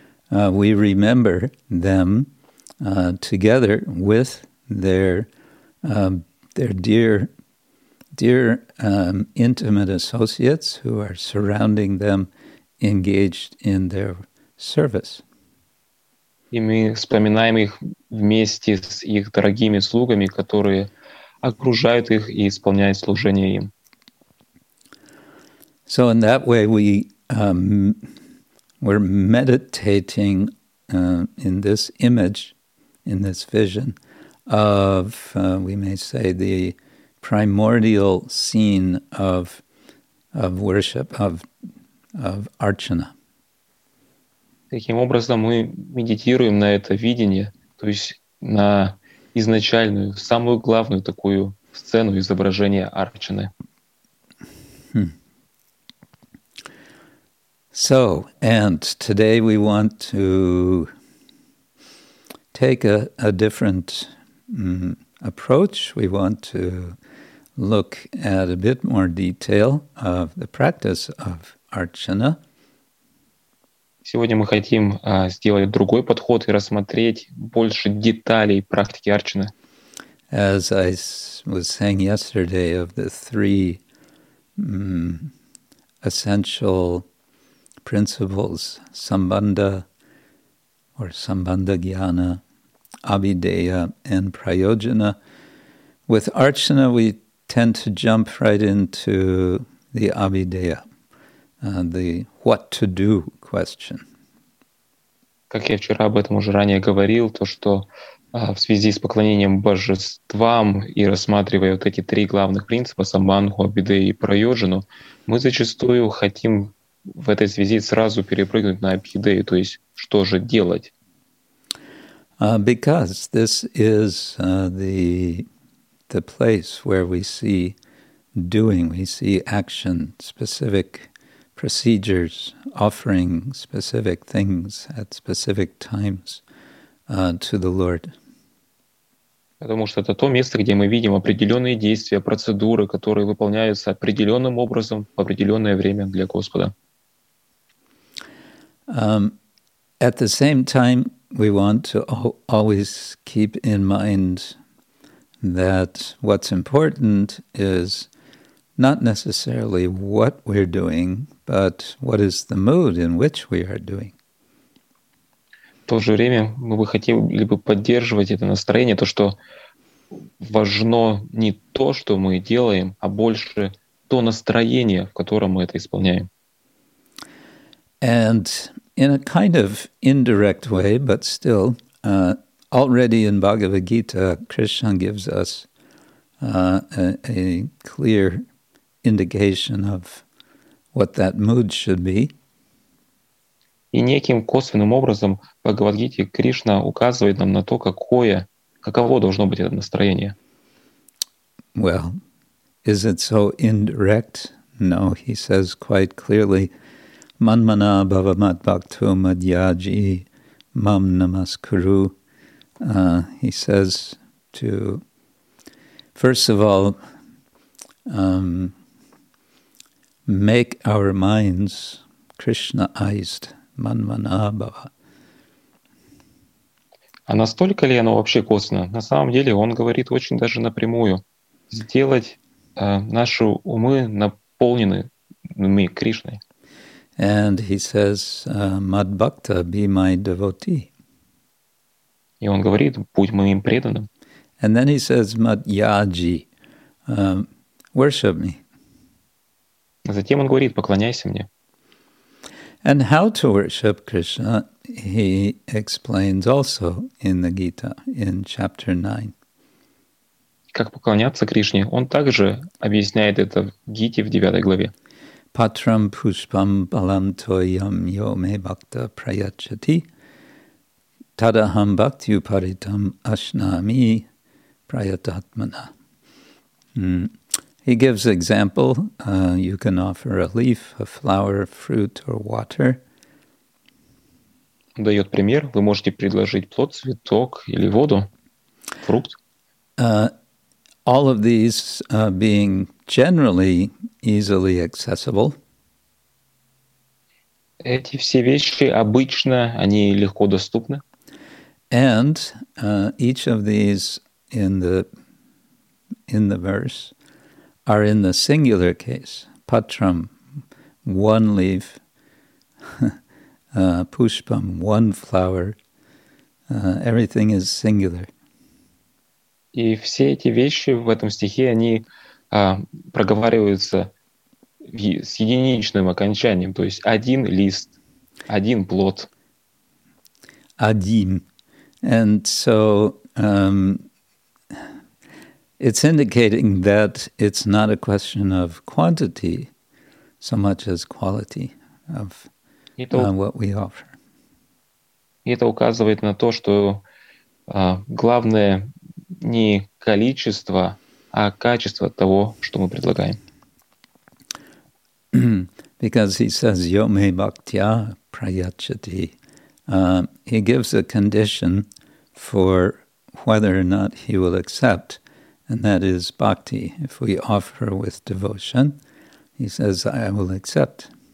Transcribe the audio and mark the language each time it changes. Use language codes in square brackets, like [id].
[en] We remember them together with their dear intimate associates who are surrounding them, engaged in their service. [ru] И мы вспоминаем их вместе с их дорогими слугами, которые окружают их и исполняют служение им. [en] So in that way we were meditating in this image, in this vision of, we may say, the primordial scene of worship, of Archana. [ru] Таким образом, мы медитируем на это видение, то есть на изначальную, самую главную такую сцену изображения Арджуны. [en] So, and today we want to take a different approach. We want to look at a bit more detail of the practice of Archana. [ru] Сегодня мы хотим сделать другой подход и рассмотреть больше деталей практики Арджуны. [en] As I was saying yesterday, of the three essential principles, Sambandha or Sambandha Jnana, Abhideya, and Prayojana, with Archana we tend to jump right into the Abhideya, the what to do question. [ru] Как я вчера об этом уже ранее говорил, то, что в связи с поклонением божествам и рассматривая вот эти три главных принципа Самбанху, Абидею и Прайоджану, мы зачастую хотим в этой связи сразу перепрыгнуть на Абидею, то есть что же делать? [en] Because this is the place where we see doing, we see action, specific procedures, offering specific things at specific times to the Lord. [ru] Потому что это то место, где мы видим определенные действия, процедуры, которые выполняются определенным образом в определенное время для Господа. [en] At the same time, we want to always keep in mind that what's important is not necessarily what we're doing, but what is the mood in which we are doing. [ru] В то же время мы бы хотели бы поддерживать это настроение, то, что важно не то, что мы делаем, а больше то настроение, в котором мы это исполняем. [en] And in a kind of indirect way, but still, already in Bhagavad Gita, Krishna gives us a clear indication of what that mood should be. [ru] И неким косвенным образом в Бхагавад-гите Кришна указывает нам на то, какое, каково должно быть это настроение. [en] Well, is it so indirect? No, he says quite clearly, [sa] manmana bhavamat bhaktu madhyaji mam namaskuru. [en] He says to, first of all, make our minds Krishna-ized, manmanabhava. [ru] А настолько ли оно вообще косвенно? На самом деле он говорит очень даже напрямую. Сделать наши умы наполненными Кришной. [en] And he says, madbhakta, be my devotee. [ru] И он говорит, будь моим преданным. [en] And then he says, madhyaji, worship me. [ru] Затем он говорит, поклоняйся мне. [en] And how to worship Krishna, he explains also in the Gita, in chapter 9. [ru] Как поклоняться Кришне, он также объясняет это в Гите в 9 главе. [sa] Патрам пушпам балам тоям йо ме бхакта праячати, тадахам бхактию паритам ашнами праятатмана. [en] He gives example. You can offer a leaf, a flower, fruit, or water. [ru] Дает пример. Вы можете предложить плод, цветок или воду, фрукт. [en] All of these being generally easily accessible. [ru] Эти все вещи обычно они легко доступны. [en] And each of these in the verse are in the singular case. Patram, one leaf, pushpam, one flower, everything is singular. [ru] И все эти вещи в этом стихе, они проговариваются с единичным окончанием, то есть один лист, один плод. Один. [en] And so it's indicating that it's not a question of quantity so much as quality of what we offer. [ru] Это указывает на то, что главное не количество, а качество того, что мы предлагаем. [en] Because he says [sa] yome bhaktya prayachati, [en] he gives a condition for whether or not he will accept, and that is bhakti. If we offer with devotion, he says, I will accept.